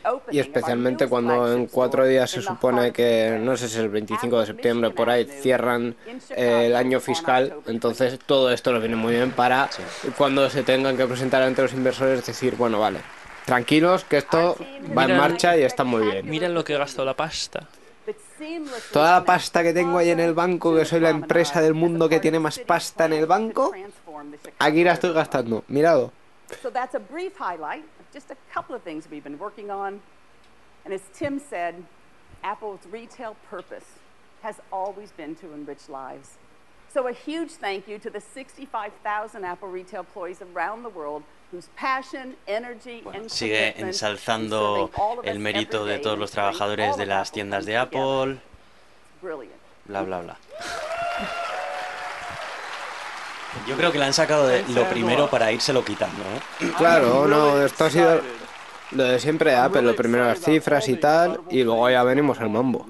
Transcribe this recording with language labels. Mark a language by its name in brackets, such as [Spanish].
[Spanish] Y especialmente cuando en 4 días se supone que, no sé si es el 25 de septiembre por ahí, cierran el año fiscal, entonces todo esto lo viene muy bien para cuando se tengan que presentar ante los inversores, decir, bueno, vale, tranquilos, que esto va en marcha y está muy bien. Miren lo que gastó la pasta. Toda la pasta que tengo ahí en el banco, que soy la empresa del mundo que tiene más pasta en el banco, aquí la estoy gastando. Mirado. [English] So that's a brief highlight of just a couple of things we've been working on. And as Tim said, Apple's retail purpose has always been to enrich lives. So a huge thank you to the 65,000 Apple retail employees around the world whose passion, energy, and [Spanish] sigue ensalzando el mérito de todos los trabajadores de las tiendas de Apple. [English] Brilliant. [Spanish] Bla bla bla. Yo creo que la han sacado de lo primero para írselo quitando, ¿eh? Claro, no, esto ha sido lo de siempre de Apple, lo primero las cifras y tal, y luego ya venimos al mambo.